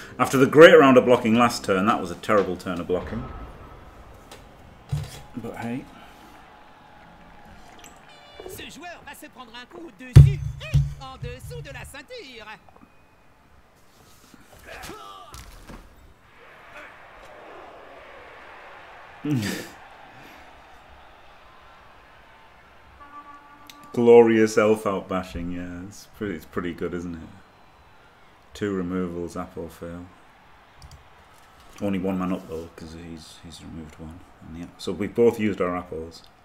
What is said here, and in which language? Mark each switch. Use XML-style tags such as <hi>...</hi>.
<en>After the great round of blocking last turn, that was a terrible turn of blocking. But hey.</en> <fr>Ce joueur va se prendre un coup dessus et en dessous de la ceinture.</fr> <en>Glorious elf out bashing, yeah, it's pretty good, isn't it? Two removals, apple fail. Only one man up though, because he's removed one. And yeah, so we've both used our apples.</en>